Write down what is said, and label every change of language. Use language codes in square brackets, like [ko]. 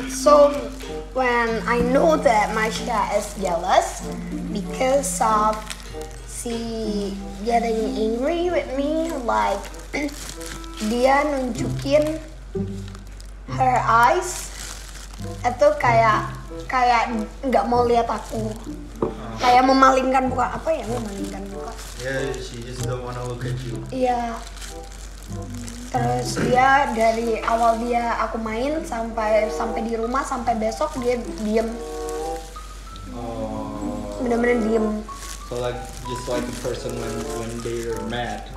[en] So when I know that Marcia is jealous because of she getting angry with me, like [id] dia nunjukin [en] her eyes [id] itu kayak enggak mau lihat aku. Kayak memalingkan muka, apa ya memalingkan muka? [en] Yeah, she just don't wanna look at you. [id] Iya. Terus dia dari awal dia aku main sampai di rumah sampai besok dia diem. Bener-bener diem. [en] So like just like a person when they're mad.